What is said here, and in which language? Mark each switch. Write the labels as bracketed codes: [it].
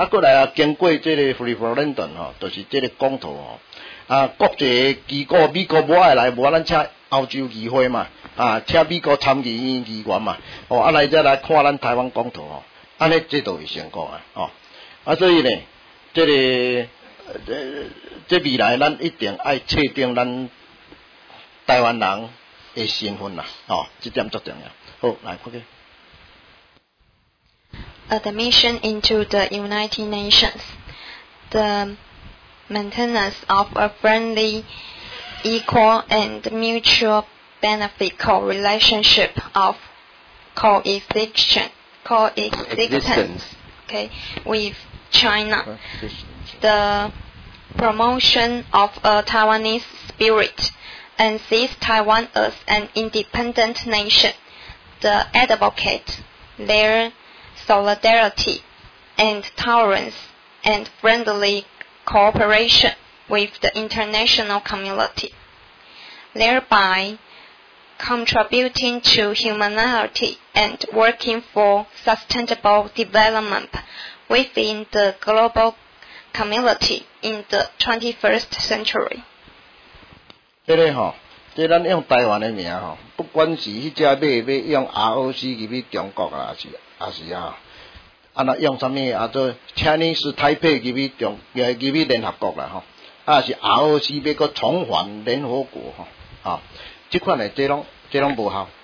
[nan] 啊，过来啊，经过这个 referendum 吼，就是这个公投吼，啊，国际机构美国无爱来，无咱请欧洲议会嘛，啊，请美国参议院议员嘛，哦，啊来再来看咱台湾公投吼，安尼这都会成功啊，哦，啊，所以呢，这个。这未来咱一定爱确定咱台湾人的身份啦，哦，这点足重要。好，来，OK。 [en] Admission into the United Nations, the maintenance of a friendly, equal, and mutual beneficial relationship of coexistence, okay, with China, the promotion of a Taiwanese spirit and sees Taiwan as an independent nation, the advocate their solidarity and tolerance and friendly cooperation with the international community, thereby contributing to humanity and working for sustainable development within the global community. In the 21st century. [nan] 这个吼，这咱用台湾的名吼，不管是迄只要用 ROC 入去中国啊，是啊，啊那用什么啊？做 Chinese Taipei 入去中，入去联合国啦吼，啊是 ROC 要搁重返联合国吼，啊，这款的这拢无效。